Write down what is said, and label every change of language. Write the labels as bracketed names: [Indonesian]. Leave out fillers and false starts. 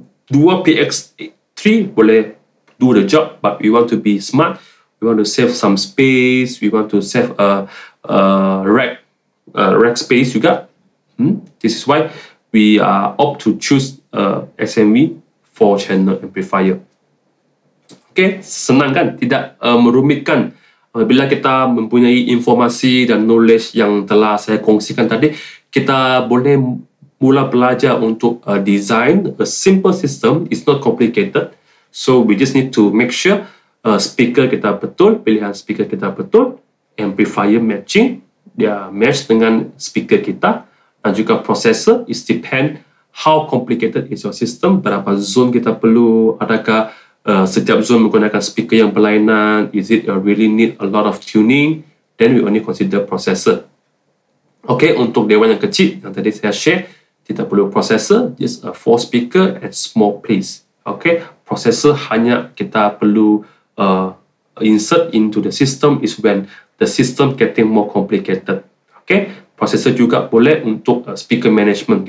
[English] 2 PX3 [Malay] boleh [English] do the job, but we want to be smart. We want to save some space. We want to save rack space [Malay] juga. [English] This is why we opt to choose SMV 4 channel amplifier. [Malay] Okay, senang kan? Tidak merumitkan. Bila kita mempunyai informasi dan knowledge yang telah saya kongsikan tadi, kita boleh mula belajar untuk [English] design a simple system. It's not complicated. So we just need to make sure [Malay] speaker kita betul, pilihan speaker kita betul, [English] amplifier matching, [Malay] dia match dengan speaker kita, dan juga [English] processor is depend how complicated is your system, [Malay] berapa zone kita perlu, adakah setiap zone menggunakan speaker yang berlainan, [English] is it really need a lot of tuning, then we only consider processor. [Malay] Okay, untuk dewan yang kecil, yang tadi saya share, kita perlu processor, [English] just a 4 speaker and small place. Okay, processor [Malay] hanya kita perlu [English] insert into the system is when the system getting more complicated. [Malay] Okay, processor juga boleh untuk speaker management.